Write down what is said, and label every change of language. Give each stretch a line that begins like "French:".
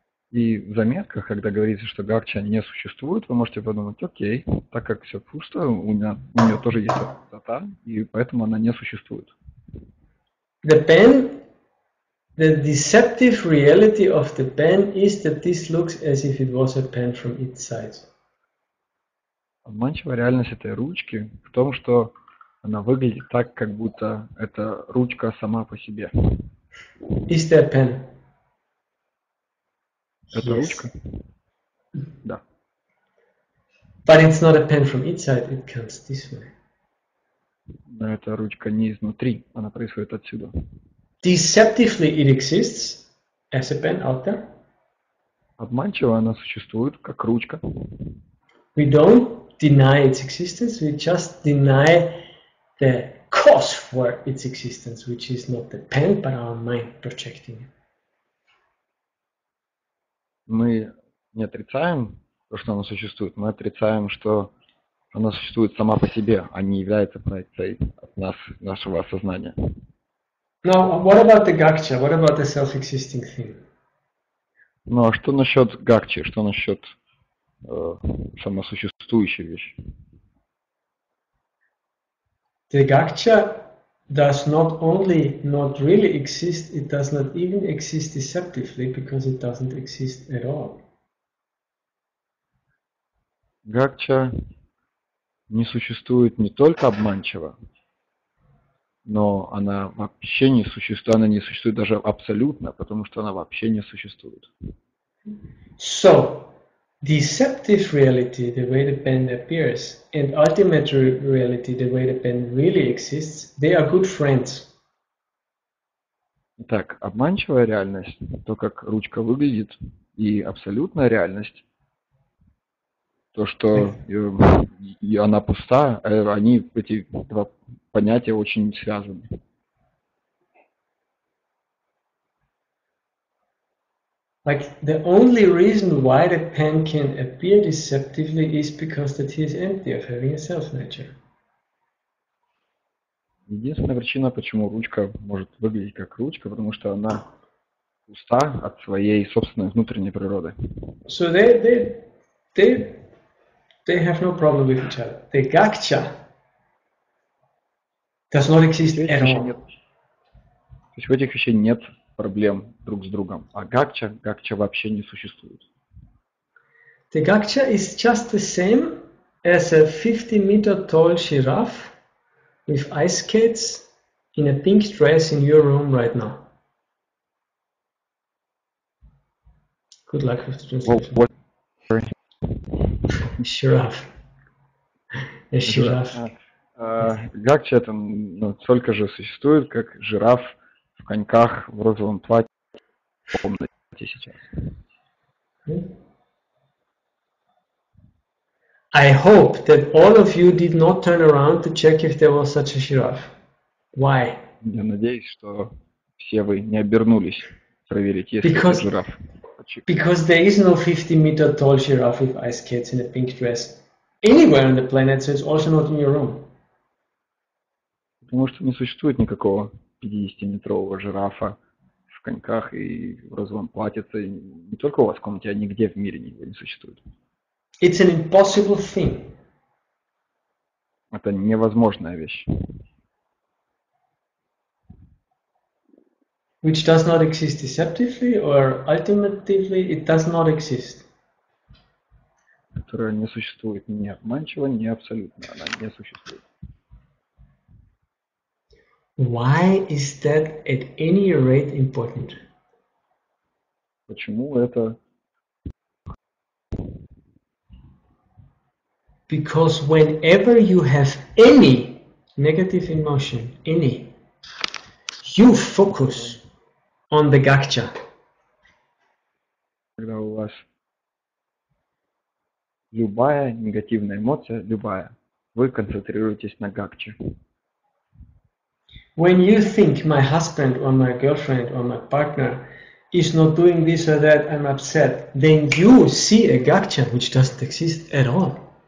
Russian: И в заметках, когда говорится, что гакча не существует, вы можете подумать, окей, так как все пусто, у нее тоже есть пустота, и поэтому она не существует.
English: The pen, the deceptive reality of the pen is that this looks as if it was a pen from its side.
Russian: Обманчивая реальность этой ручки в том, что она выглядит так, как будто эта ручка сама по себе.
English: Is there a pen?
Russian: Это
English: yes.
Russian: Ручка? Да.
English: But it's not a pen from its side, it comes this way.
Russian: Но эта ручка не изнутри, она происходит отсюда.
English: Deceptively it exists as a pen out there.
Russian: Обманчиво она существует как ручка.
English: We don't deny its existence, we just deny the cause for its existence, which is not the pen, but our mind projecting it.
Russian: Мы не отрицаем то, что оно существует, мы отрицаем, что оно существует сама по себе, а не является проекцией нашего осознания.
English: Now, what about the gakcha? What about the self-existing thing?
Russian: Ну, а что насчет гакчи? Что насчет самосуществующей вещи?
English: The gakcha does not only not really exist, it does not even exist deceptively, because it doesn't exist at all.
Russian: Гакча не существует не только обманчиво, но она вообще не существует, она не существует даже абсолютно, потому что она вообще не существует.
English: So, deceptive reality, the way the pen appears, and ultimate reality, the way the pen really exists, they are good friends.
Russian: Итак, обманчивая реальность, то, как ручка выглядит, и абсолютная реальность, то, что и она пуста, они, эти два понятия очень связаны.
English: Like the only reason why the pen can appear deceptively is because that he is empty of having a self nature.
Russian: Единственная причина, почему ручка может выглядеть как ручка, потому что она пуста от своей собственной внутренней природы.
English: So they have no problem with each other. The gakcha does not exist at all.
Russian: То есть в этих вещах нет проблем друг с другом, а гакча вообще не существует.
English: The gakcha is just the same as a 50-meter-tall giraffe with ice skates in a pink dress in your room right now. Good luck with the translation. What? A giraffe. A giraffe.
Russian: Гакча там столько же существует, как жираф в коньках в розовом платье в комнате сейчас.
English: I hope that all of you did not turn around to check if there was such a giraffe. Why?
Russian: Я надеюсь, что все вы не обернулись проверить, есть ли жираф.
English: Because there is no 50-meter-tall giraffe with ice skates and a pink dress anywhere on the planet, so it's also not in your room.
Russian: Потому что не существует никакого 50-метрового жирафа в коньках и в розовом платьице. Не только у вас в комнате, а нигде в мире его не существует.
English: It's an impossible thing.
Russian: Это невозможная вещь.
English: Which does not exist deceptively or ultimately, it does not exist.
Russian: Которая не существует ни обманчиво, ни абсолютно. Она не существует.
English: Why is that at any rate important?
Russian: Почему это?
English: Because whenever you have any negative emotion, any, you focus on the gakcha.
Russian: Когда у вас любая негативная эмоция, любая, вы концентрируетесь на гакче.
English: When you think my husband or my girlfriend or my partner is not doing this or that, I'm upset, then you see a gakcha which doesn't exist at all.